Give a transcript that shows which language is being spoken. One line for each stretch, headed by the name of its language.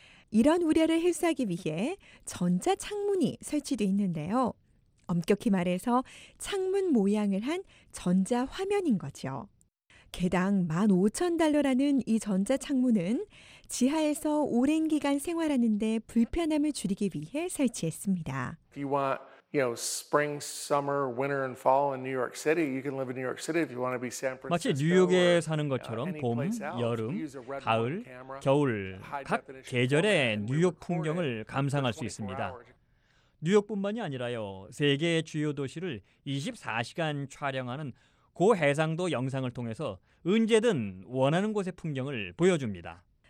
Korean: 이런 우려를 해소하기 위해 전자 창문이 설치돼 있는데요. 엄격히 말해서 창문 모양을 한 전자 화면인 거죠. 개당 $15,000라는 이 전자 창문은 지하에서 오랜 기간 생활하는데 불편함을 줄이기 위해 설치했습니다.
English: If you want, you know, spring, summer, winter and fall in New York City, you can live in New York City if you want to be San Francisco.
Korean: 마치 뉴욕에 사는 것처럼 봄, 여름, 가을, 겨울 각 계절의 뉴욕 풍경을 감상할 수 있습니다. 뉴욕뿐만이 아니라요. 세계의 주요 도시를 24시간 촬영하는 고해상도 영상을 통해서 언제든 원하는 곳의 풍경을 보여줍니다.